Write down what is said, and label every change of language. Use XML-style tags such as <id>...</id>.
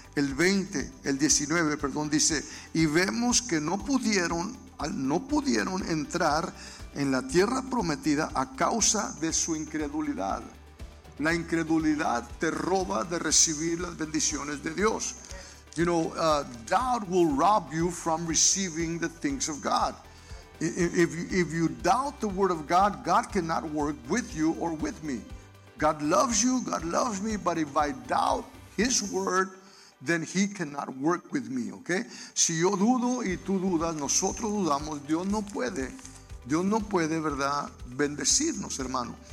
<es>El 19, dice, y vemos que no pudieron entrar en la tierra prometida a causa de su incredulidad. La incredulidad te roba de recibir las bendiciones de Dios.</es> <en>You know, doubt will rob you from receiving the things of God. If you doubt the word of God, God cannot work with you or with me. God loves you, God loves me, but if I doubt his word, then he cannot work with me, okay?</en> <es>Si yo dudo y tú dudas, nosotros dudamos, Dios no puede, ¿verdad?, bendecirnos, hermano.</es>